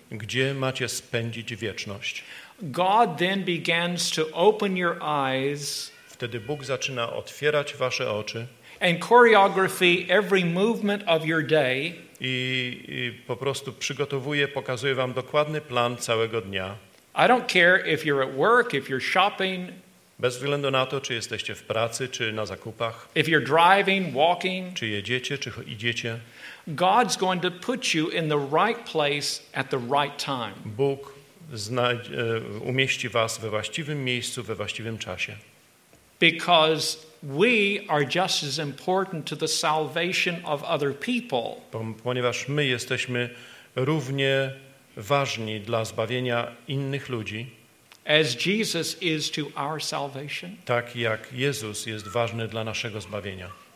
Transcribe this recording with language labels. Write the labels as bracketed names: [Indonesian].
[Polish] gdzie macie spędzić wieczność, [English] God then begins to open your eyes, [Polish] wtedy Bóg zaczyna otwierać wasze oczy, [English] and choreography every movement of your day, [Polish] i po prostu przygotowuje, pokazuje wam dokładny plan całego dnia. [English] I don't care if you're at work, if you're shopping, [Polish] Bez względu na to, czy jesteście w pracy, czy na zakupach. [English] If you're driving, walking, [Polish] czy jedziecie, czy idziecie. [English] God's going to put you in the right place at the right time. [Polish] Bóg umieści was we właściwym miejscu, we właściwym czasie. [English] Because we are just as important to the salvation of other people. [Polish] Ponieważ my jesteśmy równie ważni dla zbawienia innych ludzi. [English] As Jesus is to our salvation. [Polish] Tak jak Jezus jest ważny dla naszego zbawienia.